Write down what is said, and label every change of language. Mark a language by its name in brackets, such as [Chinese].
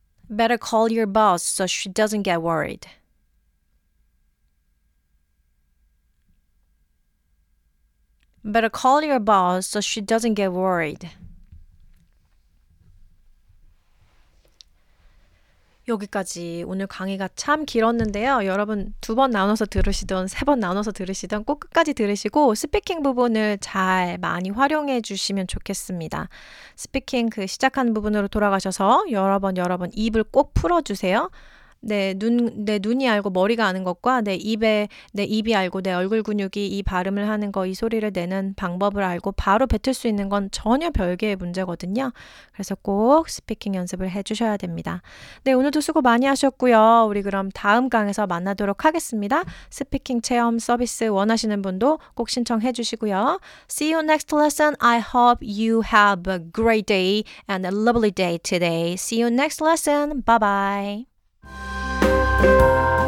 [English] Better call your boss so she doesn't get worried. Better call your boss so she doesn't get worried. [Korean] 여기까지 오늘 강의가 참 길었는데요. 여러분 두 번 나눠서 들으시든 세 번 나눠서 들으시든 꼭 끝까지 들으시고 스피킹 부분을 잘 많이 활용해 주시면 좋겠습니다. 스피킹 그 시작한 부분으로 돌아가셔서 여러 번 입을 꼭 풀어주세요. 내 눈이 알고 머리가 아는 것과 내 입이 알고 내 얼굴 근육이 이 발음을 하는 거, 이 소리를 내는 방법을 알고 바로 뱉을 수 있는 건 전혀 별개의 문제거든요. 그래서 꼭 스피킹 연습을 해주셔야 됩니다. 네, 오늘도 수고 많이 하셨고요. 우리 그럼 다음 강에서 만나도록 하겠습니다. 스피킹 체험 서비스 원하시는 분도 꼭 신청해 주시고요. [English] See you next lesson. I hope you have a great day and a lovely day today. See you next lesson. Bye bye. Thank you.